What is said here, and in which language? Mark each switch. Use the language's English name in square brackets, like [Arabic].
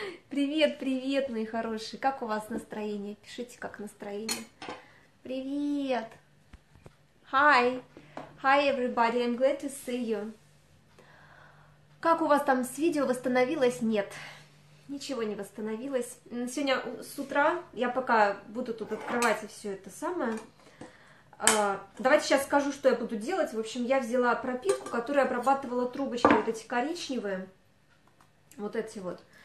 [Russian] Привет, привет, мои хорошие, как у вас настроение? Пишите, как настроение. Привет. Hi. [English] Hi, everybody, I'm glad to see you. [Russian] Как у вас там с видео восстановилось? Нет, ничего не восстановилось. Сегодня с утра, я пока буду тут открывать и все это самое. Давайте сейчас скажу, что я буду делать. В общем, я взяла пропитку, которая обрабатывала трубочки, вот эти коричневые, вот эти вот.